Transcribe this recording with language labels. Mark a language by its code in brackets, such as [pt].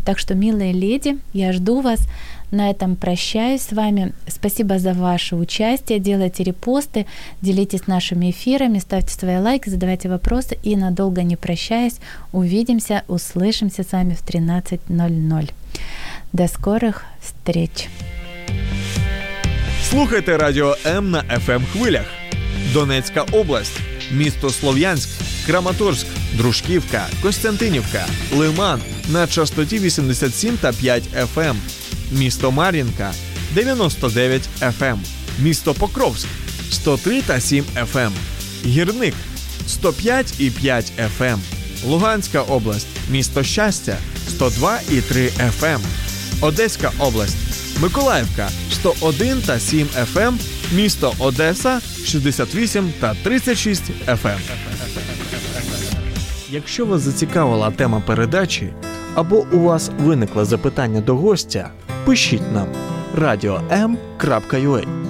[ru] Так что, милые леди, я жду вас. На этом прощаюсь с вами. Спасибо за ваше участие. Делайте репосты, делитесь нашими эфирами, ставьте свои лайки, задавайте вопросы. И надолго не прощаясь, увидимся, услышимся с вами в 13:00. До скорих встреч. [uk] Слухайте радіо М на FM хвилях. Донецька область, місто Слов'янськ, Краматорськ, Дружківка, Костянтинівка, Лиман на частоті 87.5 FM. Місто Мар'їнка 99 FM. Місто Покровськ 103.7 FM. Гірник 105.5 FM. Луганська область, місто Щастя 102.3 FM. Одеська область, Миколаївка, 101.7 FM, місто Одеса, 68.36 FM. Якщо вас зацікавила тема передачі, або у вас виникло запитання до гостя, пишіть нам radio.m.ua.